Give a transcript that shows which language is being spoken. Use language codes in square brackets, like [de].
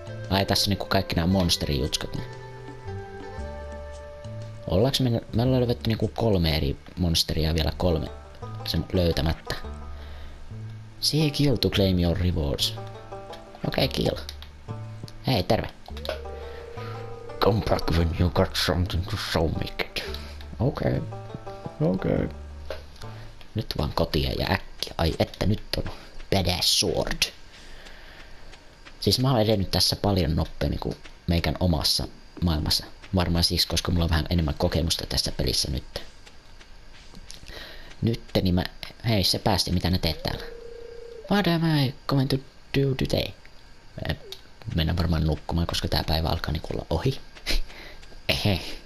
[fi] Ai tässä niinku kaikki nämä monsterin jutskat. Ollaanko me ollaan löydetty niinku kolme eri monsteria vielä kolme sen löytämättä. [en] See kill to claim your rewards. [fi] Okei, okay, kill. Hei, terve. [en] Come back when you got something to show me, kid. [fi] Okei. Okei. Nyt vaan kotia ja äkki. Ai että, nyt on badass sword. Siis mä oon edennyt tässä paljon nopeammin kuin meikän omassa maailmassa. Varmaan siis, koska mulla on vähän enemmän kokemusta tässä pelissä nyt. Nytte, niin mä... Hei, se päästi, mitä ne teet täällä? [en] What am I going to do today? [fi] Mennään varmaan nukkumaan, koska tää päivä alkaa niinku olla ohi. Ehe.